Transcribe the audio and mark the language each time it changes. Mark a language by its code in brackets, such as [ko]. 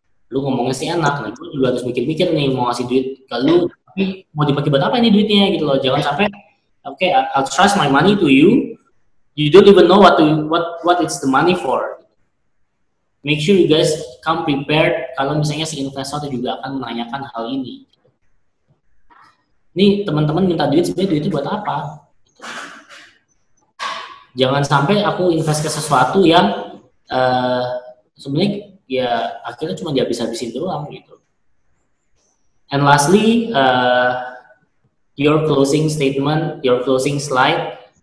[id] Lu ngomongnya sih enak, nah gue juga harus mikir-mikir nih mau ngasih duit ke lu, tapi mau dipakai buat apa ini duitnya gitu loh. Jangan sampai, [en] okay, I'll trust my money to you, you don't even know what it's the money for. Make sure you guys come prepared [id] kalau misalnya si investor juga akan menanyakan hal ini. Nih teman-teman minta duit, sebenarnya duit itu buat apa? Jangan sampai aku invest ke sesuatu yang sebenarnya ya akhirnya cuma dihabis-habisin doang gitu. [en] And lastly, your closing statement, your closing slide.